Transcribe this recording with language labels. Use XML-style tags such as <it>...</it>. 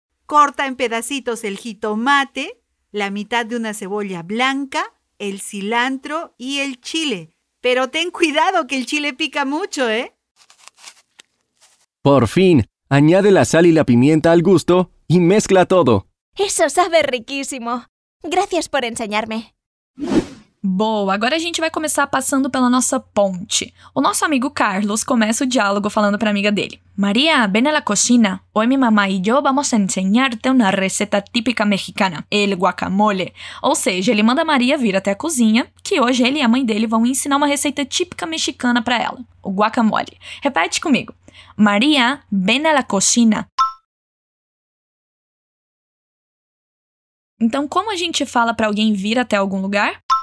<es>Corta en pedacitos el jitomate, la mitad de una cebolla blanca, el cilantro y el chile. Pero ten cuidado que el chile pica mucho, ¿eh? Por fin, añade la sal y la pimienta al gusto y mezcla todo. Eso sabe riquísimo. Gracias por enseñarme.</es> <pt>Boa, agora a gente vai começar passando pela nossa ponte. O nosso amigo Carlos começa o diálogo falando para a amiga dele.</pt> <es>Maria, ven a la cocina. Hoy mi mamá y yo vamos a enseñarte una receta típica mexicana, el guacamole.</es> <pt>Ou seja, ele manda a Maria vir até a cozinha, que hoje ele e a mãe dele vão ensinar uma receita típica mexicana para ela, o guacamole. Repete comigo.</pt> <es>Maria, ven a la cocina.</es> <pt>Então, como a gente fala para alguém vir até algum lugar?</pt>